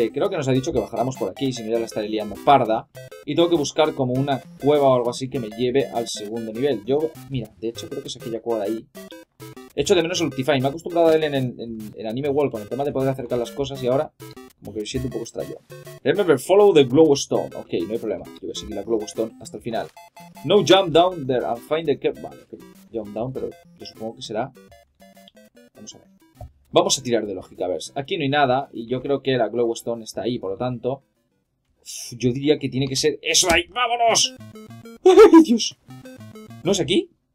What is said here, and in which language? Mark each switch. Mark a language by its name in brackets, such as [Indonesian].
[Spanish] Creo que nos ha dicho que bajáramos por aquí. Si no, ya la estaré liando parda. Y tengo que buscar como una cueva o algo así que me lleve al segundo nivel. Yo, mira, de hecho creo que es aquella cueva de ahí. Echo de menos el Ultify. Me he acostumbrado a él en Anime World con el tema de poder acercar las cosas. Y ahora, como que me siento un poco extraño. [English] Remember, follow the glowstone. [Spanish] Ok, no hay problema. Yo voy a seguir la glowstone hasta el final. [English] No jump down there and find the cave. [Spanish] Vale, ok. [English] Jump down, [Spanish] pero yo supongo que será... Vamos a ver. Vamos a tirar de lógica. A ver, aquí no hay nada. Y yo creo que la glowstone está ahí, por lo tanto... Yo diría que tiene que ser eso ahí. ¡Vámonos! ¡Ay, Dios! ¿No es aquí?